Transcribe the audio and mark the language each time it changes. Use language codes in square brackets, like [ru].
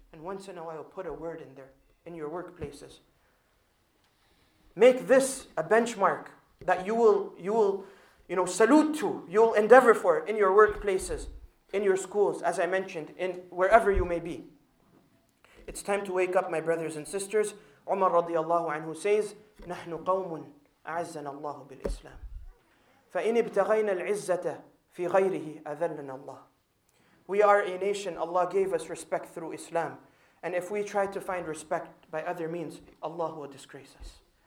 [en] And once in a while, put a word in there, in your workplaces. Make this a benchmark that you will, you know, salute to. You'll endeavor for in your workplaces, in your schools, as I mentioned, in wherever you may be. It's time to wake up, my brothers and sisters. Umar radiallahu anhu says, [ar] نَحْنُ قَوْمٌ أَعَزَّنَ اللَّهُ بِالْإِسْلَامِ فَإِنِ ابْتَغَيْنَ الْعِزَّةَ فِي غَيْرِهِ أَذَلَّنَ اللَّهُ. [en] We are a nation. Allah gave us respect through Islam. And if we try to find respect by other means, Allah will disgrace us.